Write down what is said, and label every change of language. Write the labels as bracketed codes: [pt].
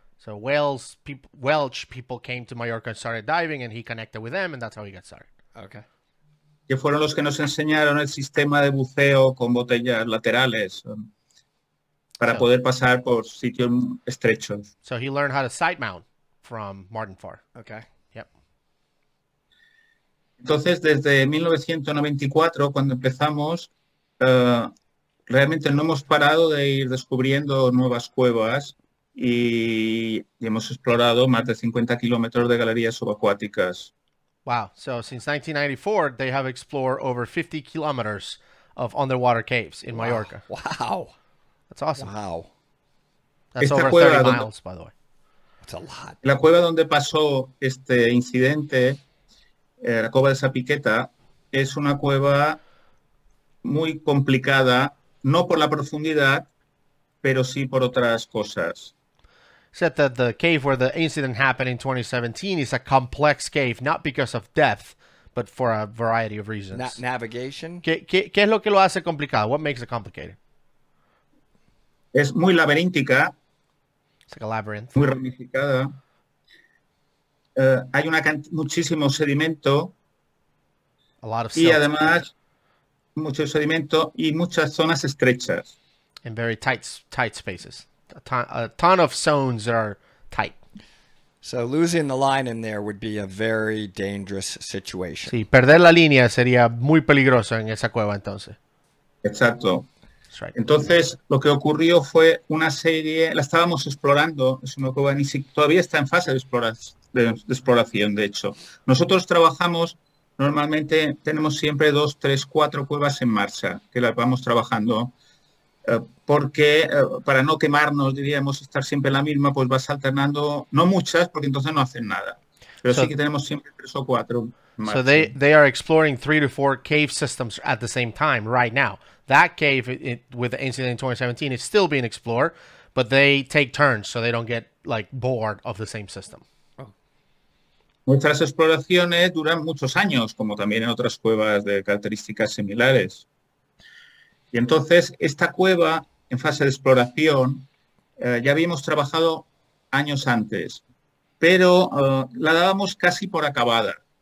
[en] So Welsh people came to Mallorca and started diving, and he connected with them, and that's how he got started. Okay. [es] Que fueron los que nos enseñaron el sistema de buceo con botellas laterales para poder pasar por sitios estrechos. [en] So he learned how to side mount from Martin Farr. Okay. Yep. [es] Entonces, desde 1994, cuando empezamos, realmente no hemos parado de ir descubriendo nuevas cuevas y hemos explorado más de 50 kilómetros de galerías subacuáticas. [en] Wow. So since 1994, they have explored over 50 kilometers of underwater caves in Mallorca. Wow. That's awesome. Wow. That's [es] esta [en] over 30 miles, [es] donde, [en] by the way. That's a lot. [es] La cueva donde pasó este incidente, la cueva de Sapiqueta, es una cueva muy complicada, no por la profundidad, pero sí por otras cosas. [en] Said that the cave where the incident happened in 2017 is a complex cave, not because of depth, but for a variety of reasons. Navigation? [es] ¿Qué es lo que lo hace complicado? [en] What makes it complicated? [es] Es muy laberíntica. [en] It's like a labyrinth. [es] Muy ramificada. Hay muchísimo sedimento. [en] A lot of silt. [es] Y además, mucho sedimento y muchas zonas estrechas. [en] In very tight spaces. A ton of zones that are tight. So losing the line in there would be a very dangerous situation. [es] Sí, perder la línea sería muy peligroso en esa cueva entonces. Exacto. [en] That's right. [es] Entonces, lo que ocurrió fue una serie, la estábamos explorando, es una cueva ni siquiera todavía está en fase de exploración, de hecho. Nosotros trabajamos, normalmente tenemos siempre 2, 3, 4 cuevas en marcha que las vamos trabajando. Porque para no quemarnos, diríamos, estar siempre en la misma, pues vas alternando, no muchas, porque entonces no hacen nada. Pero sí que tenemos siempre 3 o 4. [en] So they are exploring 3 to 4 cave systems at the same time right now. That cave with the incident in 2017 is still being explored, but they take turns so they don't get like bored of the same system. [es] Nuestras exploraciones duran muchos años, como también en otras cuevas de características similares. Y entonces, esta cueva, en fase de exploración, ya habíamos trabajado años antes, pero la dábamos casi por acabada.